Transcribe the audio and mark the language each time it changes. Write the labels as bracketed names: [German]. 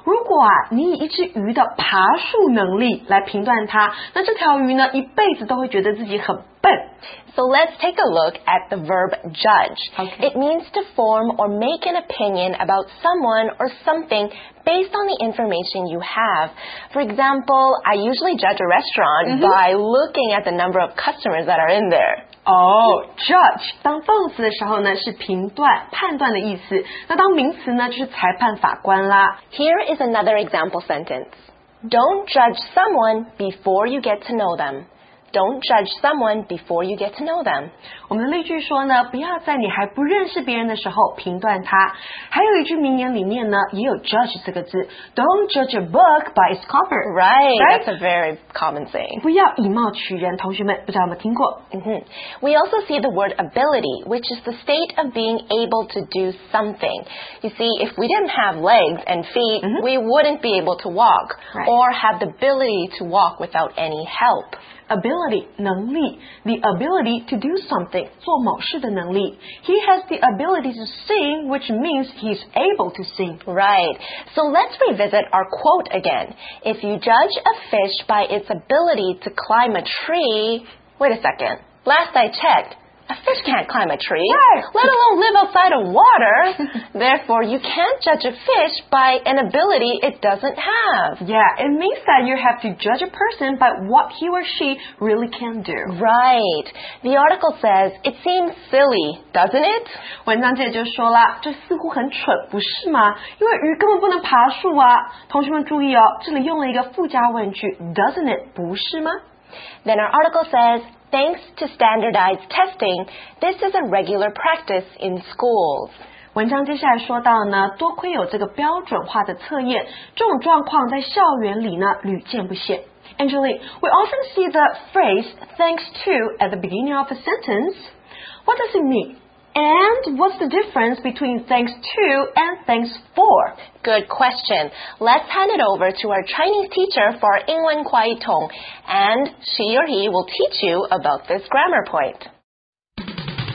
[Chinese] 如果啊你以一只鱼的爬树能力来评断它，那这条鱼呢一辈子都会觉得自己很笨。 [English] So let's take a look at the verb judge. Okay. It means to form or make an opinion about someone or something based on the information you have. For example, I usually judge a restaurant by looking at the number of customers that are in there. Oh, judge. [Chinese] 当动词的时候呢是评断、判断的意思。那当名词呢就是裁判、法官啦。 [English] Here is another example sentence. Don't judge someone before you get to know them. don't judge someone before you get to know them. [Chinese] 我们的例句说呢，不要在你还不认识别人的时候评断他。还有一句名言里面呢，也有 judge 这个字。 [English] Don't judge a book by its cover. Right, that's a very common thing. [Chinese] 不要以貌取人，同学们，不知道有没有听过？ [English] We also see the word ability, which is the state of being able to do something. You see, if we didn't have legs and feet, we wouldn't be able to walk, or have the ability to walk without any help. Ability, [Chinese] 能力, [English] the ability to do something, [Chinese] 做某事的能力. [English] He has the ability to sing, which means he's able to sing. Right. So let's revisit our quote again. If you judge a fish by its ability to climb a tree, wait a second. Last I checked, a fish can't climb a tree, let alone live outside of water. Therefore, you can't judge a fish by an ability it doesn't have. Yeah, it means that you have to judge a person by what he or she really can do. Right. The article says, it seems silly, doesn't it? [Chinese] 文章姐就说了，这似乎很蠢，不是吗？因为鱼根本不能爬树啊。同学们注意哦，这里用了一个附加问句， [English] doesn't it, [Chinese] 不是吗？ [English] Then our article says,Thanks to standardized testing, this is a regular practice in schools. [Chinese] 文章接下来说到呢，多亏有这个标准化的测验，这种状况在校园里呢屡见不鲜。 [English] Angelique, we often see the phrase thanks to at the beginning of a sentence. What does it mean? And what's the difference between thanks to and thanks for? Good question. Let's hand it over to our Chinese teacher for our [Chinese] 英文快译通, [English] and she or he will teach you about this grammar point.